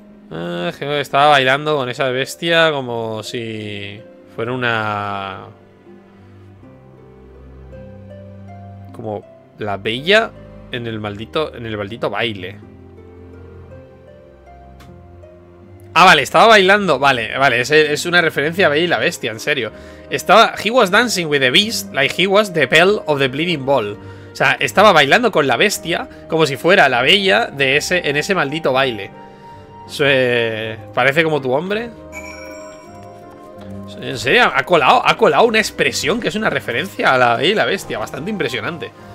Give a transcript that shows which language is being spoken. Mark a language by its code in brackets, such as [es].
[es] Estaba bailando con esa bestia como si fuera una... Como la bella... En el maldito baile. Ah, vale, estaba bailando. Vale, vale, es una referencia a Bella y la Bestia, en serio. Estaba... [en] He was dancing with the beast like he was the Belle of the Bleeding Ball. [es] O sea, estaba bailando con la bestia como si fuera la bella de ese, en ese maldito baile. Parece como tu hombre. En serio, ha colado una expresión que es una referencia a la Bella y la Bestia. Bastante impresionante.